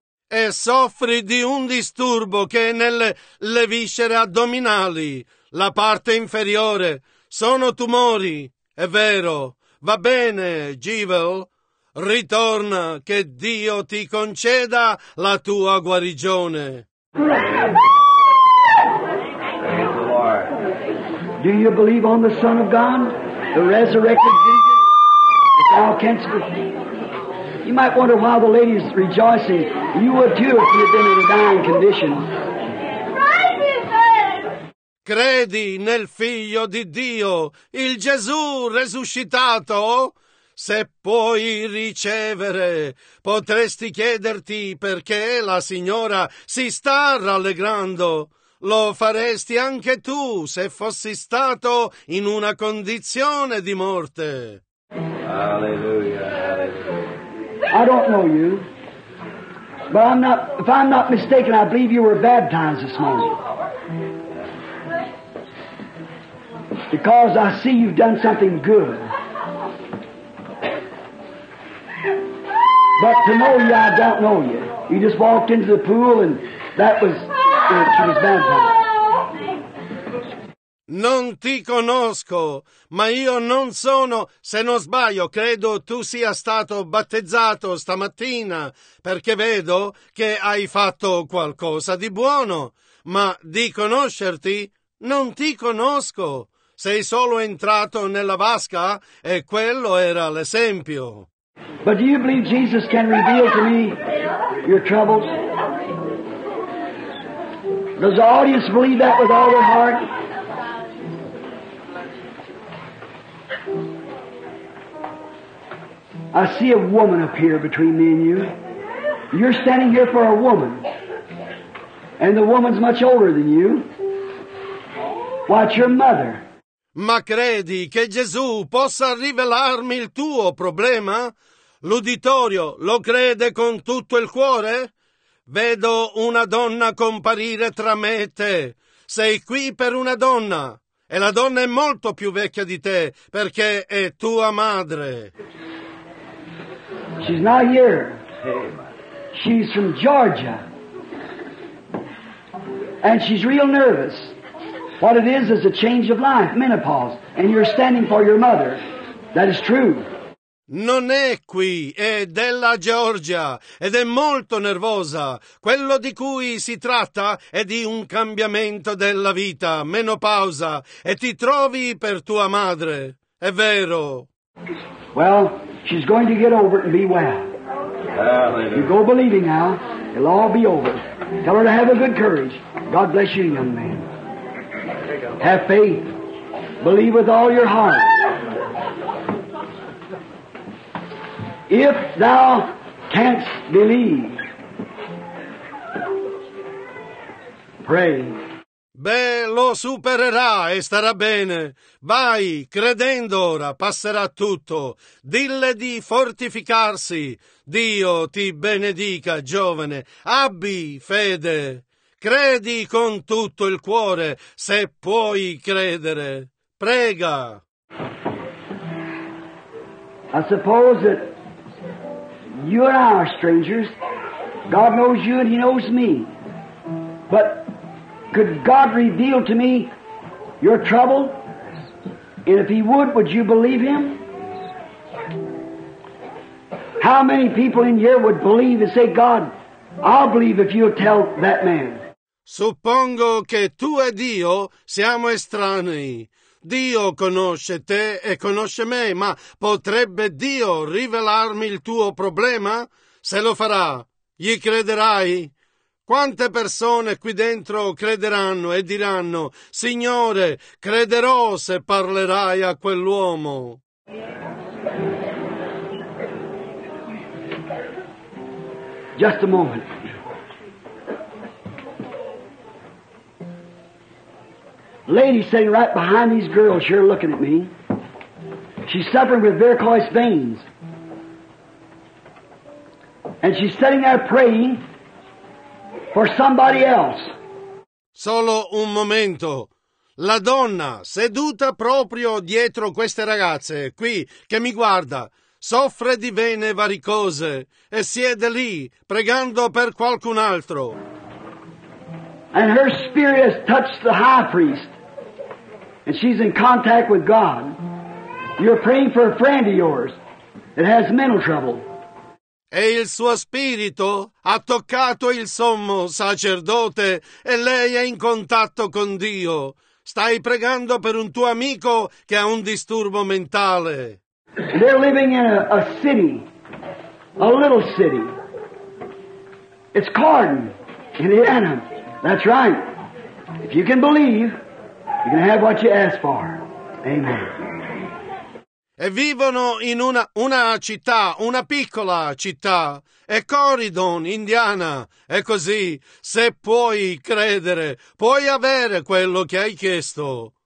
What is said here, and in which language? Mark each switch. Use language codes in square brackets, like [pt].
[it] E soffri di un disturbo che è nelle viscere addominali, la parte inferiore. Sono tumori, è vero. Va bene, Jewel. Ritorna, che Dio ti conceda la tua guarigione. [en] Do you believe on the Son of God, the resurrected Jesus? Thou canst believe. You might wonder why the lady is rejoicing. You would too if you had been in a dying condition. [it] Credi nel Figlio di Dio, il Gesù resuscitato? Se puoi ricevere, potresti chiederti perché la Signora si sta rallegrando. Lo faresti anche tu se fossi stato in una condizione di morte. Alleluia. [en] I don't know you, but if I'm not mistaken, I believe you were baptized this morning. Because I see you've done something good. But to know you, I don't know you. You just walked into the pool and that was it, she was baptized. [it] Non ti conosco, ma io non sono, se non sbaglio, credo tu sia stato battezzato stamattina, perché vedo che hai fatto qualcosa di buono, ma di conoscerti non ti conosco. Sei solo entrato nella vasca e quello era l'esempio. [en] But do you believe Jesus can reveal to me your troubles? Does the audience believe that with all their heart? I see a woman appear between me and you. You're standing here for a woman. And the woman's much older than you. Why, it's your mother. [it] Ma credi che Gesù possa rivelarmi il tuo problema? L'uditorio lo crede con tutto il cuore? Vedo una donna comparire tra me e te. Sei qui per una donna. E la donna è molto più vecchia di te, perché è tua madre. [en] She's not here. She's from Georgia. And she's real nervous. What it is a change of life, menopause. And you're standing for your mother. That is true. [it] Non è qui, è della Georgia. Ed è molto nervosa. Quello di cui si tratta è di un cambiamento della vita, menopausa. E ti trovi per tua madre. È vero. [en] Well, she's going to get over it and be well. Hallelujah. You go believing now, it'll all be over. Tell her to have a good courage. God bless you, young man. Have faith. Believe with all your heart. If thou canst believe, pray. [it] Beh, lo supererà e starà bene. Vai, credendo ora, passerà tutto. Dille di fortificarsi. Dio ti benedica, giovane. Abbi fede. Credi con tutto il cuore, se puoi credere. Prega. [en] I suppose that you and I are strangers. God knows you and He knows me. But could God reveal to me your trouble? And if He would you believe Him? How many people in here would believe and say, God, I'll believe if you'll tell that man? [it] Suppongo che tu e Dio siamo estranei. Dio conosce te e conosce me, ma potrebbe Dio rivelarmi il tuo problema? Se lo farà, gli crederai? Quante persone qui dentro crederanno e diranno: Signore, crederò se parlerai a quell'uomo. [en] Just a moment. Lady sitting right behind these girls here looking at me. She's suffering with varicose veins. And she's sitting there praying for somebody else. [it] Solo un momento. La donna seduta proprio dietro queste ragazze qui che mi guarda soffre di vene varicose e siede lì pregando per qualcun altro. [en] And her spirit has touched the high priest. And she's in contact with God. You're praying for a friend of yours that has mental trouble. [it] E il suo spirito ha toccato il sommo sacerdote e lei è in contatto con Dio. Stai pregando per un tuo amico che ha un disturbo mentale. [en] They're living in a city, a little city. It's Cardin, Indiana. That's right. If you can believe, you can have what you ask for. Amen. [it] E vivono in una città, una piccola città, è Corydon, Indiana, è così, se puoi credere, puoi avere quello che hai chiesto.